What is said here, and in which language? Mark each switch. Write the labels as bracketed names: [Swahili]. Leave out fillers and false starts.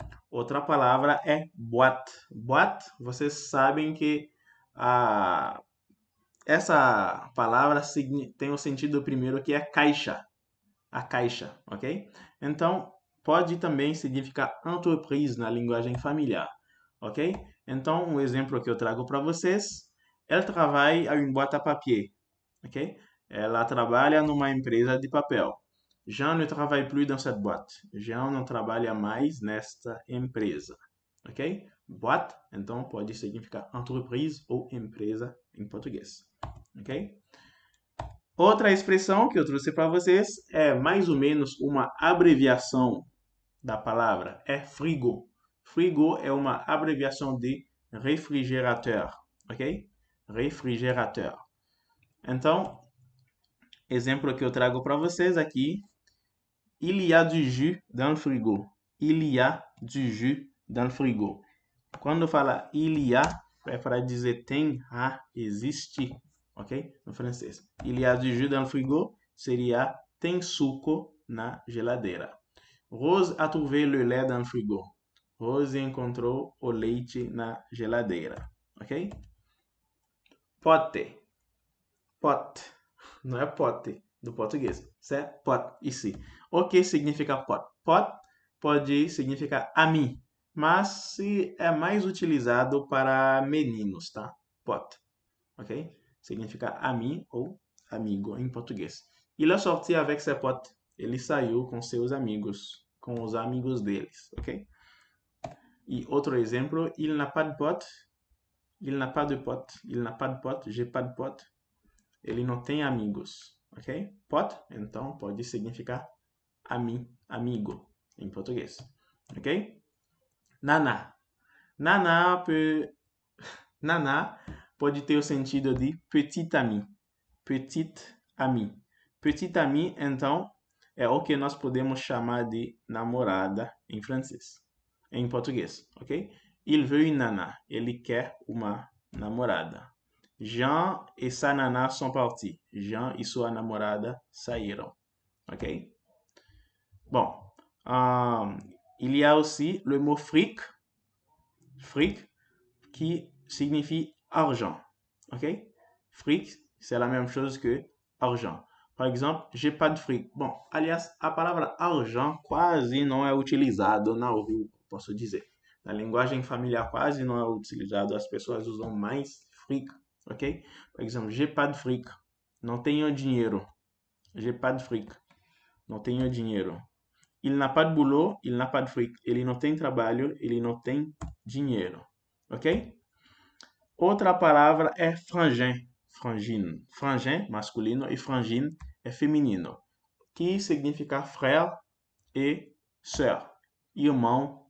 [Portuguese] Outra palavra é boîte. Boîte, vocês sabem que essa palavra tem o sentido primeiro que é caixa, a caixa, ok? Então, pode também significar entreprise na linguagem familiar, ok? Então, um exemplo que eu trago para vocês, [French] elle travaille à une boîte à papier, [Portuguese] ok? Ela trabalha numa empresa de papel. [French] Jean ne travaille plus dans cette boîte. [Portuguese] Jean não trabalha mais nesta empresa. Ok? Boîte, então, pode significar entreprise ou empresa em português. Ok? Outra expressão que eu trouxe para vocês é mais ou menos uma abreviação da palavra. É frigo. Frigo é uma abreviação de réfrigérateur. Ok? Réfrigérateur. Então, exemplo que eu trago para vocês aqui. [French] Il y a du jus dans le frigo. Il y a du jus dans le frigo. [Portuguese] Quando fala il y a, é para dizer tem, há, existe, ok? No francês. [French] Il y a du jus dans le frigo [Portuguese] seria tem suco na geladeira. [French] Rose a trouvé le lait dans le frigo. [Portuguese] Rose encontrou o leite na geladeira, ok? Pote. Pote. Não é pote do português, certo? Pot, e sim. O que significa pot? Pot pode significar ami, mas é mais utilizado para meninos, tá? Pot, ok? Significa ami ou amigo em português. [French] Il a sorti avec ses potes. [Portuguese] Ele saiu com seus amigos, com os amigos deles, ok? E outro exemplo, [French] il n'a pas de pot. Il n'a pas de pot. Il n'a pas de pot. J'ai pas de pot. [Portuguese] Ele não tem amigos, ok? Pot, então, pode significar ami, amigo, em português. Ok? Naná. Naná pode ter o sentido de petit ami. [French] Petit ami. [Portuguese] Petit ami, então, é o que nós podemos chamar de namorada em francês. Em português, ok? [French] Il veut une nana. [Portuguese] Ele quer uma namorada. [French] Jean et sa nana sont partis. [Portuguese] Jean e sua namorada saíram. [French] Ok? Bom, il y a aussi le mot fric. Fric, qui signifie argent. Ok? Fric, c'est la même chose que argent. Par exemple, j'ai pas de fric. [Portuguese] Bom, aliás, a palavra argent quase não é utilizada na rua. Posso dizer, na linguagem familiar quase não é utilizado, as pessoas usam mais fric, ok? Por exemplo, [French] j'ai pas de fric, [Portuguese] não tenho dinheiro. [French] J'ai pas de fric, não tenho dinheiro. Il n'a pas de boulot, il n'a pas de fric. [Portuguese] Ele não tem trabalho, ele não tem dinheiro, ok? Outra palavra é frangin, frangine. Frangin, masculino, e frangine é feminino, que significa frère e sœur, irmão.